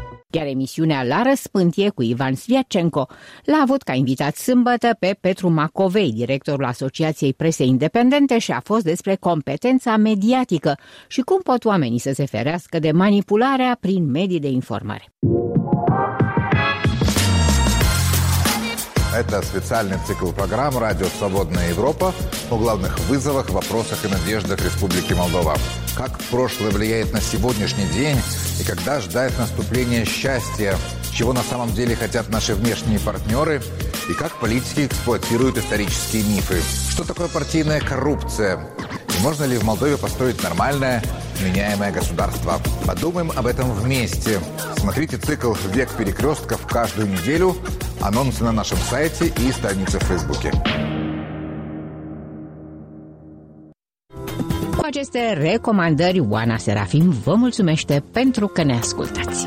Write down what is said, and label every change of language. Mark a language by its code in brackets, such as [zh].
[ro] Iar emisiunea La Răspântie cu Ivan Sviacenco l-a avut ca invitat sâmbătă pe Petru Macovei, directorul Asociației Presei Independente, și a fost despre competența mediatică și cum pot oamenii să se ferească de manipularea prin medii de informare. [ru] Это специальный цикл программ «Радио Свободная Европа» о главных вызовах, вопросах и надеждах Республики Молдова. Как прошлое влияет на сегодняшний день и когда ждать наступления счастья? Чего на самом деле хотят наши внешние партнеры? И как политики эксплуатируют исторические мифы? Что такое партийная коррупция? И можно ли в Молдове построить нормальное, меняемое государство? Подумаем об этом вместе. Смотрите цикл «Век перекрестков» каждую неделю. Анонсы на нашем сайте и странице в Фейсбуке. [ro] Aceste recomandări, Oana Serafim vă mulțumește pentru că ne ascultați.